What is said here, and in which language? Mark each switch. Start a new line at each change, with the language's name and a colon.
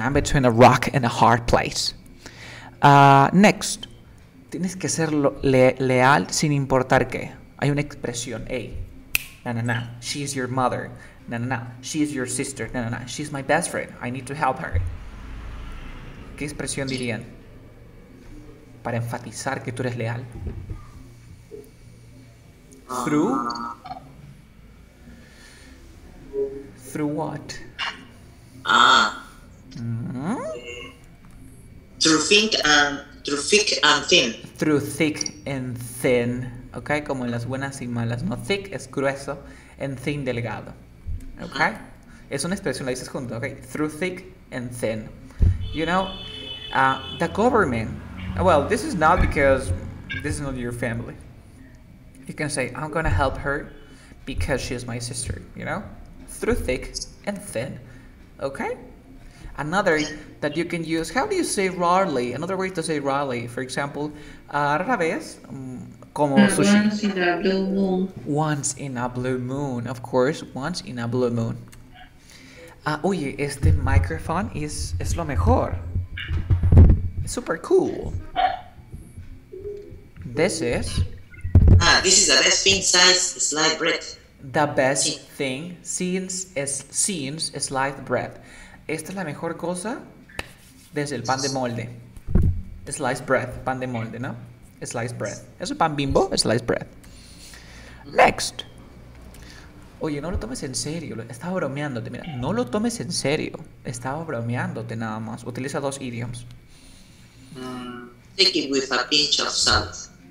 English: I'm between a rock and a hard place. Next.
Spanish: Tienes que ser leal sin importar qué. Hay una expresión.
English: Hey, na-na-na, she is your mother. Na-na-na, she is your sister. Na-na-na, she is my best friend. I need to help her.
Spanish: ¿Qué expresión dirían? Para enfatizar que tú eres leal.
English: Through what? Mm-hmm. Through thick and thin. Through thick and thin.
Spanish: Okay, como en las buenas y malas, ¿no? Thick es grueso, and thin, delgado. Okay? Uh-huh. Es una expresión, la dices junto, okay?
English: Through thick and thin. You know, the government, well, this is not because this is not your family. You can say, I'm gonna help her because she is my sister, you know? Through thick and thin, okay? Another that you can use, how do you say rarely? Another way to say rarely, for example,
Spanish: rara vez, como sushi.
English: Once in a blue moon. Once in a blue moon, of course, once in a blue moon.
Spanish: Oye, este microphone es lo mejor.
English: Super cool. This is... This is the best thing since sliced bread. The best thing since sliced bread.
Spanish: Esta es la mejor cosa desde el pan de molde.
English: Sliced bread,
Spanish: pan de molde, ¿no?
English: Sliced bread.
Spanish: ¿Es el pan Bimbo?
English: Sliced bread. Next.
Spanish: Oye, no lo tomes en serio. Estaba bromeándote. Mira, no lo tomes en serio. Estaba bromeándote nada más. Utiliza dos idioms.
English: Take it with a pinch of salt.